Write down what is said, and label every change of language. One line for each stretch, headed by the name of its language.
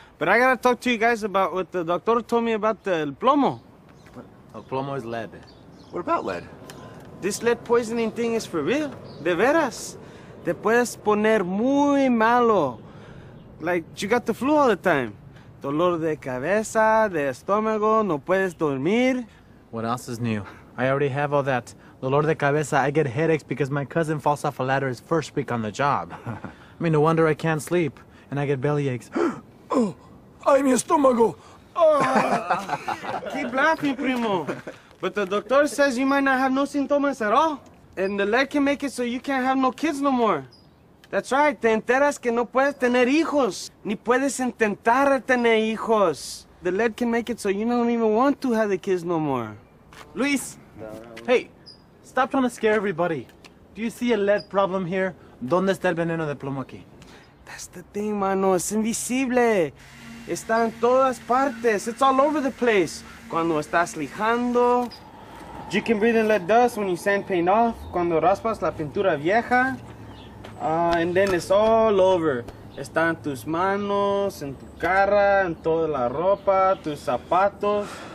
English: But I gotta talk to you guys about what the doctor told me about the plomo.
Spanish: El plomo
English: is lead. What about lead? This lead poisoning thing is for real.
Spanish: De veras. Te puedes poner muy malo.
English: Like, you got the flu all the time.
Spanish: Dolor de cabeza, de estómago, no puedes dormir.
English: What else is new? I already have all that.
Spanish: Dolor de cabeza,
English: I get headaches because my cousin falls off a ladder his first week on the job. I mean, no wonder I can't sleep, and I get belly aches.
Spanish: Oh, ay, mi estómago!
English: Keep laughing, primo. But the doctor says you might not have no symptoms at all, and the lead can make it so you can't have no kids no more. That's right,
Spanish: te enteras que no puedes tener hijos, ni puedes intentar tener hijos.
English: The lead can make it so you don't even want to have the kids no more. Luis! Hey, stop trying to scare everybody. Do you see a lead problem here?
Spanish: ¿Dónde está el veneno de plomo aquí?
English: That's the thing,
Spanish: mano. Es invisible. Está en todas partes.
English: It's all over the place.
Spanish: Cuando estás lijando.
English: You can breathe and let dust when you sand paint off.
Spanish: Cuando raspas la pintura vieja.
English: And then it's all over.
Spanish: Está en tus manos, en tu cara, en toda la ropa, tus zapatos.